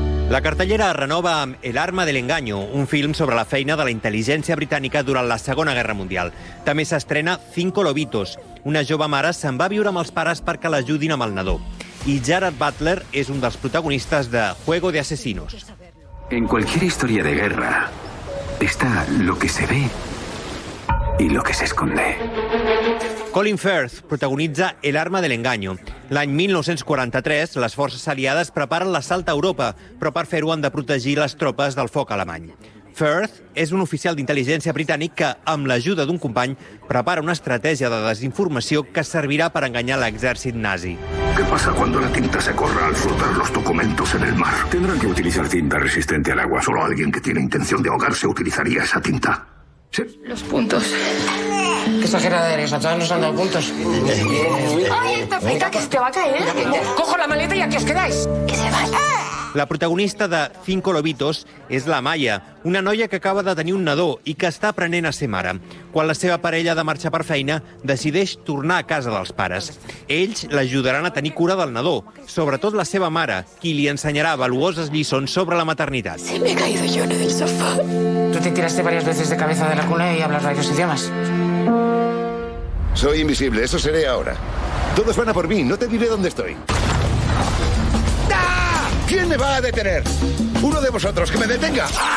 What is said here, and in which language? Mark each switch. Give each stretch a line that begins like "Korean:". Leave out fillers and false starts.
Catalan: La cartellera es renova amb El arma del engaño, un film sobre la feina de la intel·ligència britànica durant la Segona Guerra Mundial. També s'estrena Cinco Lobitos. Una jove mare se'n va a viure amb els pares perquè l'ajudin amb el nadó. I Gerard Butler és un dels protagonistes de Juego de Asesinos.
Spanish: En cualquier historia de guerra está lo que se ve y lo que se esconde.
Catalan: Colin Firth protagonitza El arma del engaño. L'any 1943, les forces aliades preparen l'assalt a Europa, però per fer-ho han de protegir les tropes del foc alemany. Firth és un oficial d'intel·ligència britànic que, amb l'ajuda d'un company, prepara una estratègia de desinformació que servirà per enganyar l'exèrcit nazi.
Spanish: ¿Qué pasa cuando la tinta se corra al flotar los documentos en el mar? Tendrán que utilizar tinta resistente al agua. Solo alguien que tiene intención de ahogarse utilizaría esa tinta. ¿Sí? Los puntos. Qué exagerada eres, a todos nos han dado puntos. ¡Ay, esta feita que se te va a caer! ¡Cojo la maleta y aquí os quedáis! ¡Que se vaya!
Catalan: La protagonista de Cinco Lobitos és la Maya, una noia que acaba de tenir un nadó i que està aprenent a ser mare. Quan la seva parella ha de marxar per feina, decideix tornar a casa dels pares. Ells l'ajudaran a tenir cura del nadó, sobretot la seva mare, qui li ensenyarà valuoses lliçons sobre la maternitat.
Spanish: Se me he caído yo en el sofá. Tú te tiraste varias veces de cabeza de la cuna y hablas varios idiomas. Soy invisible, eso seré ahora. Todos van a por mí, no te diré dónde estoy. ¿Quién me va a detener? ¡Uno de vosotros, que me detenga!